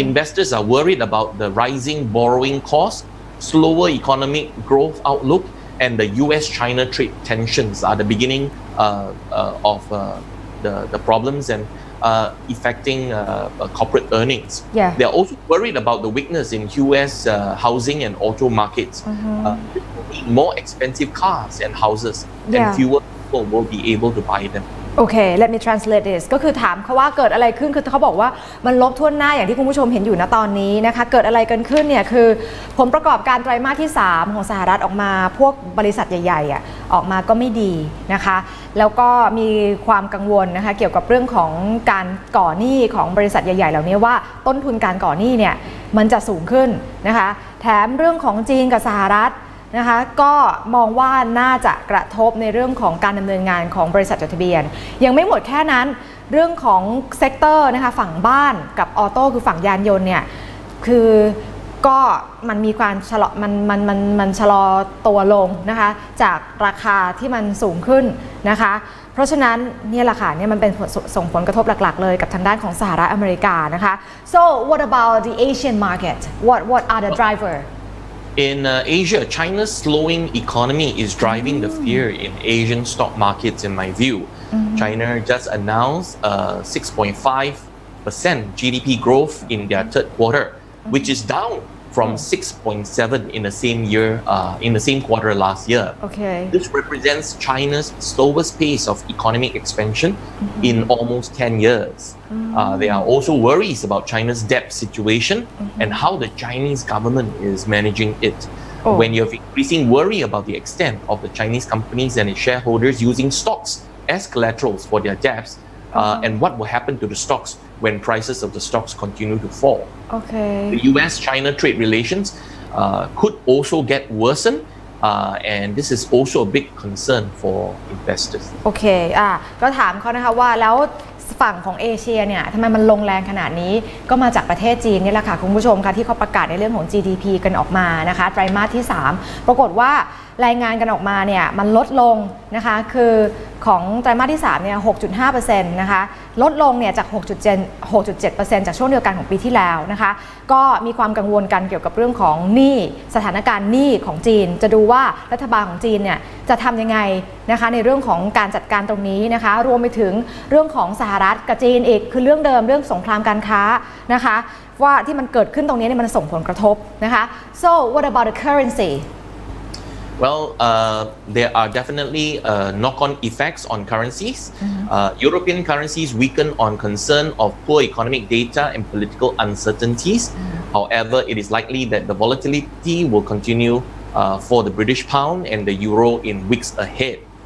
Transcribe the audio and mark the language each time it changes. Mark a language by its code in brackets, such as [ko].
[en] Investors are worried about the rising borrowing costs, slower economic growth outlook, and the U.S.-China trade tensions are the beginning of the problems and affecting corporate earnings. Yeah. They're also worried about the weakness in U.S. Housing and auto markets. More expensive cars and houses, and fewer people will be able to buy them. [th] โอเค [en] let me translate this [th] ก็คือถามเขาว่าเกิดอะไรขึ้นคือเขาบอกว่ามันลบท่วนหน้าอย่างที่คุณผู้ชมเห็นอยู่ณตอนนี้นะคะเกิดอะไรกันขึ้นเนี่ยคือผลประกอบการไตรมาสที่3ของสหรัฐออกมาพวกบริษัทใหญ่ๆอ่ะออกมาก็ไม่ดีนะคะแล้วก็มีความกังวลนะคะเกี่ยวกับเรื่องของการก่อหนี้ของบริษัทใหญ่ๆเหล่านี้ว่าต้นทุนการก่อหนี้เนี่ยมันจะสูงขึ้นนะคะแถมเรื่องของจีนกับสหรัฐ นะคะก็มองว่าน่าจะกระทบในเรื่องของการดำเนินงานของบริษัทจดทะเบียนยังไม่หมดแค่นั้นเรื่องของเซกเตอร์นะคะฝั่งบ้านกับออโต้คือฝั่งยานยนต์เนี่ยคือก็มันมีความชะลอมันชะลอตัวลงนะคะจากราคาที่มันสูงขึ้นนะคะเพราะฉะนั้นนี่แหละค่ะเนี่ยมันเป็นส่งผลกระทบหลักๆเลยกับทางด้านของสหรัฐอเมริกานะคะ [en] so what about the Asian market what are the driver In Asia, China's slowing economy is driving the fear in Asian stock markets, in my view. China just announced a 6.5% GDP growth in their third quarter, which is down from 6.7 in the same year, in the same quarter last year. Okay. This represents China's slowest pace of economic expansion in almost 10 years. There are also worries about China's debt situation and how the Chinese government is managing it. When you have increasing worry about the extent of the Chinese companies and its shareholders using stocks as collaterals for their debts, and what will happen to the stocks when prices of the stocks continue to fall. Okay. The U.S.-China trade relations could also get worsened And this is also a big concern for investors. Okay. [th] ก็ถามเขานะคะว่าแล้วฝั่งของเอเชียเนี่ยทำไมมันลงแรงขนาดนี้ก็มาจากประเทศจีนนี่แหละค่ะคุณผู้ชมค่ะที่เขาประกาศในเรื่องของ GDP กันออกมานะคะไตรมาสที่3ปรากฏว่า รายงานกันออกมาเนี่ยมันลดลงนะคะคือของไตรมาสที่3เนี่ย 6.5% นะคะลดลงเนี่ยจาก 6.7% จากช่วงเดียวกันของปีที่แล้วนะคะก็มีความกังวลกันเกี่ยวกับเรื่องของหนี้สถานการณ์หนี้ของจีนจะดูว่ารัฐบาลของจีนเนี่ยจะทำยังไงนะคะในเรื่องของการจัดการตรงนี้นะคะรวมไปถึงเรื่องของสหรัฐกับจีนอีกคือเรื่องเดิมเรื่องสงครามการค้านะคะว่าที่มันเกิดขึ้นตรงนี้เนี่ยมันส่งผลกระทบนะคะ [en] So what about the currency Well, there are definitely knock-on effects on currencies. Mm-hmm. European currencies weaken on concern of poor economic data and political uncertainties. Mm-hmm. However, it is likely that the volatility will continue for the British pound and the euro in weeks ahead.